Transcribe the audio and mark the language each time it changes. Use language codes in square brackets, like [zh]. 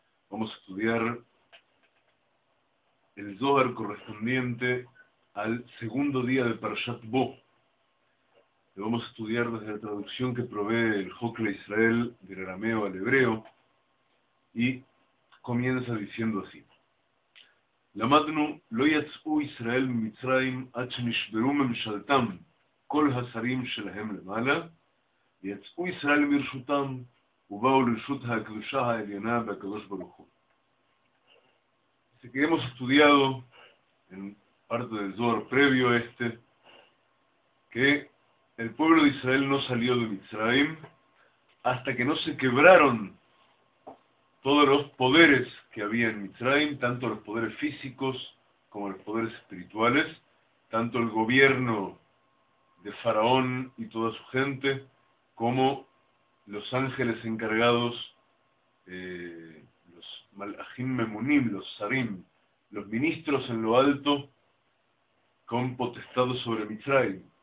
[es] Vamos a estudiar el Zohar correspondiente al segundo día de Parashat Bo. Lo vamos a estudiar desde la traducción que provee el Jocle Israel del arameo al hebreo. Y comienza diciendo así. [he] למדנו לא יצאו ישראל ממצרים עד שנשברו ממשלתם כל השרים שלהם למעלה, יצאו ישראל מרשותם ובאו לרשות הקדושה העליונה והקדוש ברוך הוא. [es] Así que hemos estudiado en parte del Zohar previo a este que el pueblo de Israel no salió de Mitzrayim hasta que no se quebraron todos los poderes que había en Mitzrayim, tanto los poderes físicos como los poderes espirituales, tanto el gobierno de Faraón y toda su gente, como los ángeles encargados, los Malachim Memunim, los Sarim, los ministros en lo alto, con potestad sobre Mitzrayim.